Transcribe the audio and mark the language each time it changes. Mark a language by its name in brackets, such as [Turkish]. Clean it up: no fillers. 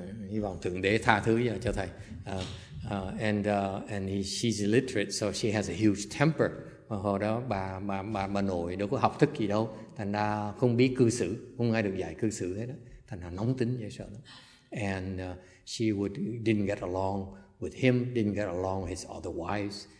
[Vietnamese] Hy vọng thượng đế tha thứ cho thầy. [English] And she's illiterate, so she has a huge temper. [Vietnamese] Hồi đó bà nội đâu có học thức gì đâu, thành ra không biết cư xử, không ai được dạy cư xử hết đó, thành ra nóng tính dễ sợ. [English] And she didn't get along with him, didn't get along with his other wives.